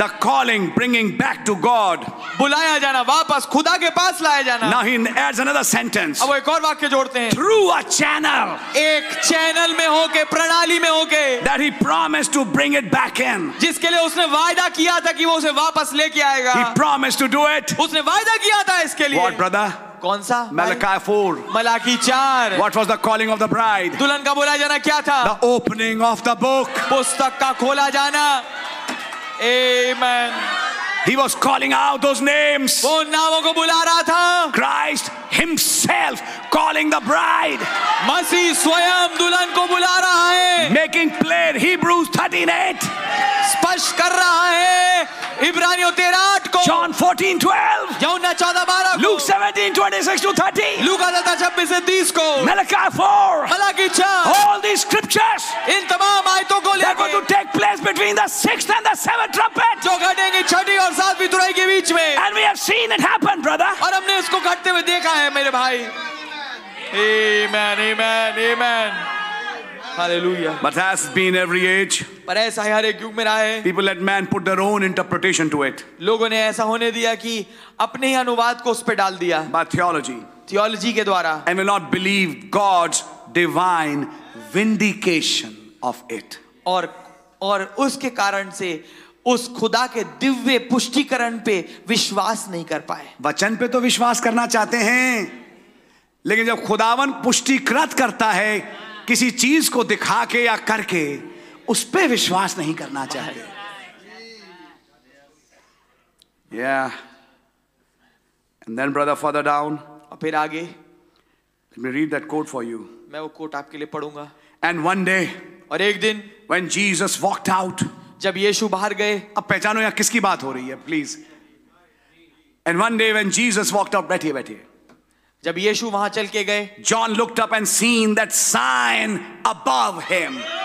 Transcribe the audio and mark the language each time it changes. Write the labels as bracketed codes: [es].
[en] The calling, bringing back to God. [hi] बुलाया जाना वापस, खुदा के पास लाया जाना। [en] Now he adds another sentence. [hi] अब वो एक और वाक्य जोड़ते हैं। [en] Through a channel. [hi] एक चैनल में होके, प्रणाली में होके। [en] That he promised to bring it back in. [hi] जिसके लिए उसने वायदा किया था कि वो उसे वापस लेके आएगा। [en] He promised to do it. [hi] उसने वायदा किया था इसके लिए। [en] What brother? [hi] कौन सा? [en] Malachi 4. [hi] Malachi 4. [en] What was the calling of the bride? [hi] दुल्हन का बुलाया जाना क्या था? [en] The opening of the book. [hi] पुस्तक का खोला जाना। Amen. [en] He was calling out those names. [hi] वो नामों को बुला रहा था। [en] Christ himself calling the bride. [hi] मसीह स्वयं दुल्हन को बुला रहा है। [en] Making plain Hebrews 13:8. [hi] स्पष्ट कर रहा है इब्रानियों 13:8 को। [en] John 14:12. [hi] यूहन्ना 14:12 को। [en] Luke 17:26-30. [hi] लूका 17:26-30 को। [en] Malachi 4. [hi] Malachi 4. [en] All these scriptures. [hi] इन तमाम आयतों को लेकर। [en] That were to take place between the 6th and the 7th trumpet. [hi] जो घटेंगे छठी और सातवीं तुरई के बीच में। [en] And we have seen it happen, brother. [hi] और हमने इसको घटते हुए देखा है मेरे भाई। [en] Amen, amen, amen. Hallelujah. But has been every age. [hi] पर ऐसा ही हर एक युग में रहा है। [en] People let man put their own interpretation to it. [hi] लोगों ने ऐसा होने दिया कि अपने ही अनुवाद को उस पे डाल दिया। [en] By theology. [hi] Theology के द्वारा। [en] And will not believe God's divine vindication of it. [hi] और उसके कारण से उस खुदा के दिव्य पुष्टिकरण पे विश्वास नहीं कर पाए। वचन पे तो विश्वास करना चाहते हैं, लेकिन जब खुदावन पुष्टिकृत करता है किसी चीज को दिखा के या करके, उस पे विश्वास नहीं करना चाहते। [en] Yeah. And then brother further down. [hi] और फिर आगे। [en] Let me read that quote for you. [hi] मैं वो quote आपके लिए पढ़ूंगा। [en] And one day. [hi] और एक दिन। [en] When Jesus walked out. [hi] जब यीशु बाहर गए। अब पहचानो यहाँ किसकी बात हो रही है, please. [en] And one day when Jesus walked out, [hi] बैठिए बैठिए। जब यीशु वहां चल के गए। [en] John looked up and seen that sign above him.